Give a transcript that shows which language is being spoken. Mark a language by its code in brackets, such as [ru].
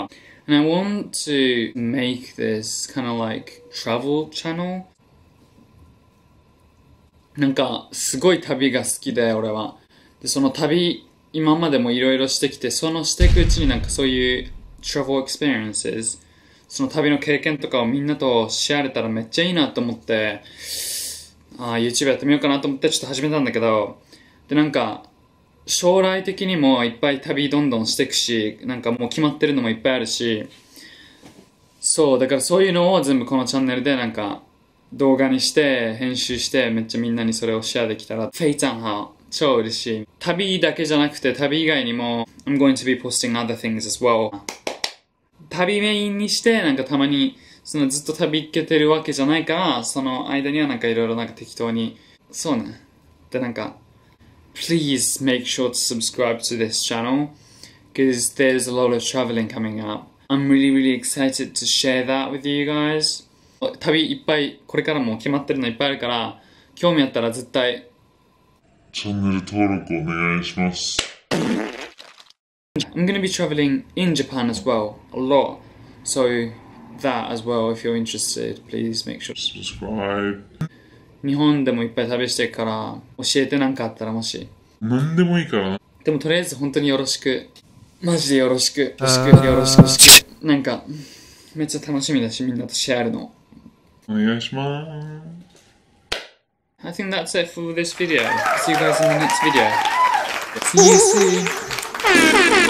[en] And I want to make this kind of like travel channel. [ja] なんか、すごい旅が好きで、俺は。で、その旅、今までもいろいろしてきて、そのしていくうちになんかそういう [en] travel experiences、 [ja] その旅の経験とかをみんなとシェアれたらめっちゃいいなと思って、YouTube やってみようかなと思ってちょっと始めたんだけど、でなんか将来的にもいっぱい旅どんどんしていくし、なんかもう決まってるのもいっぱいあるし、そう、だからそういうのを全部このチャンネルでなんか動画にして、編集して、めっちゃみんなにそれをシェアできたら、 [zh] 非常好。 [ja] 超嬉しい。旅だけじゃなくて、旅以外にも、 [en] I'm going to be posting other things as well. [ja] 旅メインにして、なんかたまに、そのずっと旅行けてるわけじゃないから、その間にはなんかいろいろなんか適当に、そうね。 [en] で、なんか、Please make sure to subscribe to this channel, because there's a lot of traveling coming up. I'm really, really excited to share that with you guys. [ja] 旅いっぱい、これからも決まってるのいっぱいあるから、興味あったら絶対、チャンネル登録お願いします。 [en] I'm gonna be traveling in Japan as well, a lot. So that as well, if you're interested, please make sure to subscribe. [ja] 日本でもいっぱい旅してるから、教えてなんかあったらもし。なんでもいいから。でもとりあえず本当によろしく。マジでよろしく。よろしく、よろしく、よろしく。なんか、めっちゃ楽しみだし、みんなとシェアるの。お願いします。 [en] I think that's it for this video. See you guys in the next video. See you soon.